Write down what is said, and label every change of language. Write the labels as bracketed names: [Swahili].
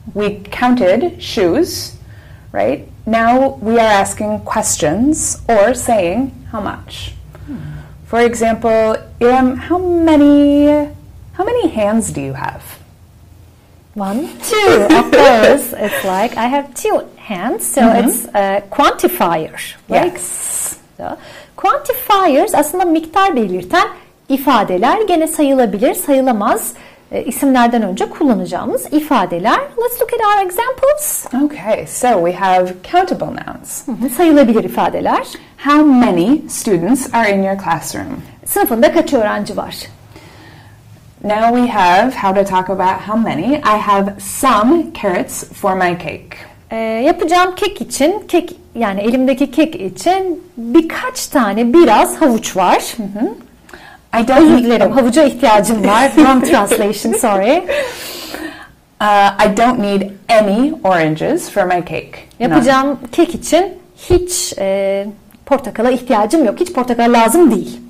[English] We counted shoes, right? Now we are asking questions or saying how much. For example, how many hands do you have? One, two. Of course, it's like I have two hands, so it's a quantifier. Like, yes. [Turkish] So, quantifiers aslında miktar belirten ifadeler, gene sayılabilir, sayılamaz isimlerden önce kullanacağımız ifadeler. [English] Let's look at our examples. Okay, so we have countable nouns. [Turkish] Sayılabilir ifadeler. [English] How many students are in your classroom? [Turkish] Sınıfında kaç öğrenci var? [English] Now we have how to talk about how many. I have some carrots for my cake. [Turkish] Yapacağım kek için, kek yani elimdeki kek için birkaç tane biraz havuç var. [English] I don't [Turkish] özür dilerim, havuca ihtiyacım var. [English] Wrong translation, sorry. I don't need any oranges for my cake. [Turkish] Yapacağım kek için hiç portakala ihtiyacım yok. Hiç portakal lazım değil.